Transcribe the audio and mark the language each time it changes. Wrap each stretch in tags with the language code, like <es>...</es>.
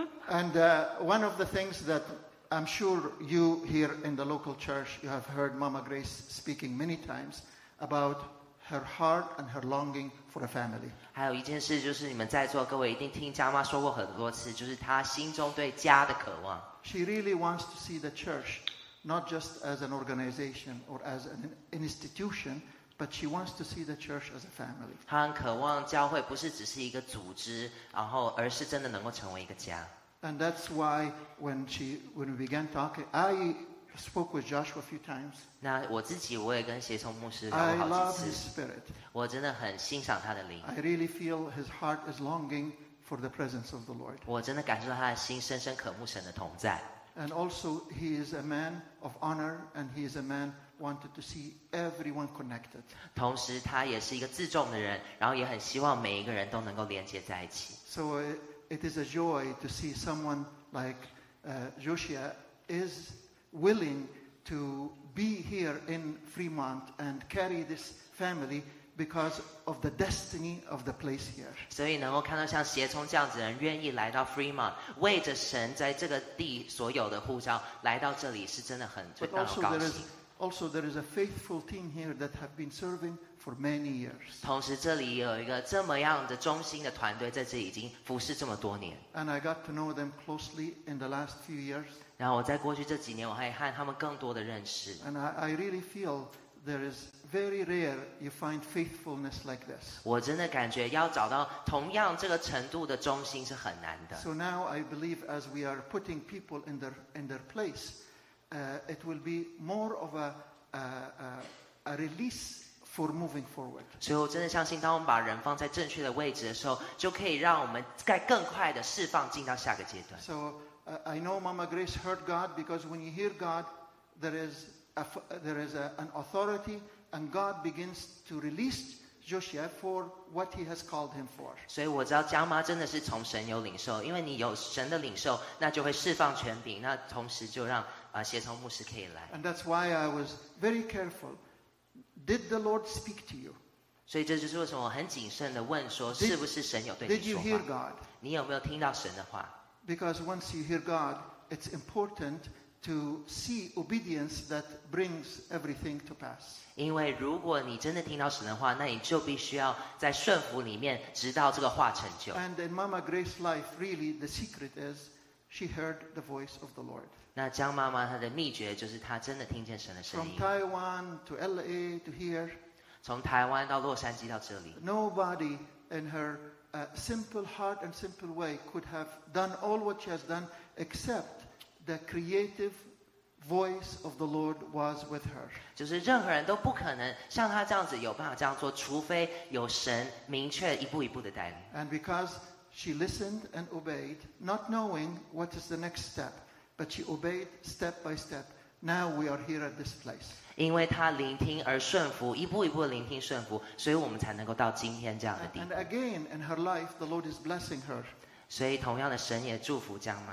<en>And one of the things that I'm sure you here in the local church, you have heard Mama Grace speaking many times about her heart and her longing for a family.</en> <zh>还有一件事就是你们在座各位一定听家妈说过很多次，就是她心中对家的渴望。</zh> <en>She really wants to see the church not just as an organization or as an institution, but she wants to see the church as a family.</en> <zh>她很渴望教会不是只是一个组织，然后而是真的能够成为一个家。</zh> <en>And that's why when we began talking, I spoke with Joshua a few times.</en> <zh>那我自己我也跟协同牧师聊过好几次。</zh> <en>I love his spirit.</en> <zh>我真的很欣赏他的灵。</zh> <en>I really feel his heart is longing for the presence of the Lord.</en> <zh>我真的感受到他的心深深渴慕神的同在。</zh> <en>And also he is a man of honor, and he is a man wanted to see everyone connected.</en> <zh>同时他也是一个自重的人，然后也很希望每一个人都能够连接在一起。</zh> <en>So it is a joy to see someone like Joshua is willing to be here in Fremont and carry this family because of the destiny of the place here.</en> <zh>所以能够看到像协聪这样子的人愿意来到 Fremont， 为着神在这个地所有的护照来到这里，是真的很高兴。</zh> <en>But also there is a faithful team here that have been serving for many years.</en> <zh>同时这里有一个这么样的忠心的团队在这里已经服侍这么多年。</zh> <en>And I got to know them closely in the last few years.</en> <zh>然后我在过去这几年，我还和他们更多的认识。</zh> <en>And I really feel there is very rare you find faithfulness like this.</en> <zh>我真的感觉要找到同样这个程度的忠心是很难的。</zh> <en>So now I believe as we are putting people in their place, it will be more of a release for moving forward.</en> <zh>所以我真的相信，当我们把人放在正确的位置的时候，就可以让我们再更快的释放进到下个阶段。</zh> <en>So,I know Mama Grace heard God because when you hear God, there is an authority, and God begins to release Joshua for what He has called him for.</en> <zh>所以我知道家妈真的是从神有领受，因为你有神的领受，那就会释放权柄，那同时就让协同牧师可以来。</zh> <en>And that's why I was very careful. Did the Lord speak to you?</en> <zh>所以这就是为什么我很谨慎的问说，是不是神有对你说话？</zh> <en>Did you hear God?</en> <zh>你有没有听到神的话？</zh> <en>Because once you hear God, it's important to see obedience that brings everything to pass.</en> <zh>因为如果你真的听到神的话，那你就必须要在顺服里面，直到这个话成就。</zh> <en>And in Mama Grace's life, really, the secret is she heard the voice of the Lord.</en> <zh>那江妈妈她的秘诀就是她真的听见神的声音。</zh> <en>From Taiwan to LA to here.</en> <zh>从台湾到洛杉矶到这里。</zh> <en>Nobody in her a simple heart and simple way could have done all what she has done except the creative voice of the Lord was with her.</en> <zh>就是任何人都不可能像她这样子有办法这样做，除非有神明确一步一步的带领。</zh> <en>And because she listened and obeyed, not knowing what is the next step, but she obeyed step by step, now we are here at this place.</en> <zh>因为她聆听而顺服，一步一步聆听顺服，所以我们才能够到今天这样的地步。</zh> <en>And again, in her life, the Lord is blessing her.</en> <zh>所以同样的，神也祝福江妈。</zh>